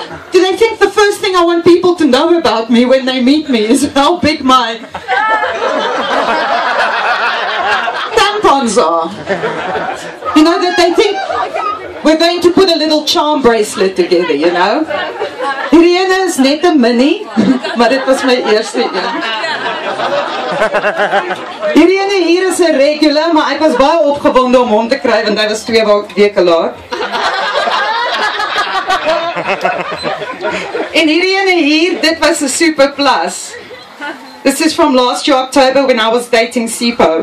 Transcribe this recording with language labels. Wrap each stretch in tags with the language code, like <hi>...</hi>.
<en>Do they think the first thing I want people to know about me when they meet me is how big my tampons are? You know that they think we're going to put a little charm bracelet together, you know?</en> <af>Hierdie ene is net een mini, maar dit was my eerste een. Hierdie ene hier is een regular, maar ek was baie opgewonde om hom te kry, want hy was 2 weke laat. En hierdie ene hier, dit was een super plus.</af> <en>This is from last year October when I was dating Sipo.</en>